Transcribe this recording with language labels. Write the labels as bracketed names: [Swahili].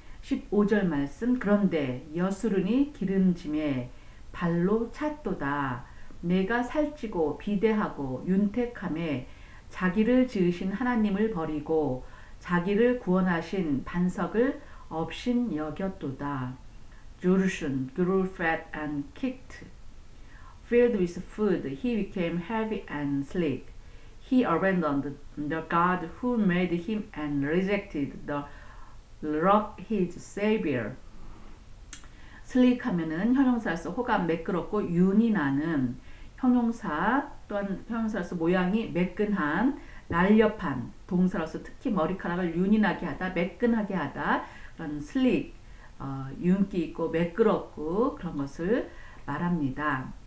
[Korean] 15절 말씀, 그런데 여수르니 기름짐에 발로 찼도다. 내가 살찌고 비대하고 윤택함에 자기를 지으신 하나님을 버리고 자기를 구원하신 반석을 없인 여겼도다. [English] Jurushun grew fat and kicked. Filled with food, he became heavy and sleek. He abandoned the God who made him and rejected the Rock his Savior. [Korean] Sleek 하면은 형용사로서 호감, 매끄럽고 윤이 나는, 형용사 또한 형용사로서 모양이 매끈한, 날렵한, 동사로서 특히 머리카락을 윤이 나게 하다, 매끈하게 하다, 그런 sleek, 윤기 있고 매끄럽고 그런 것을 말합니다.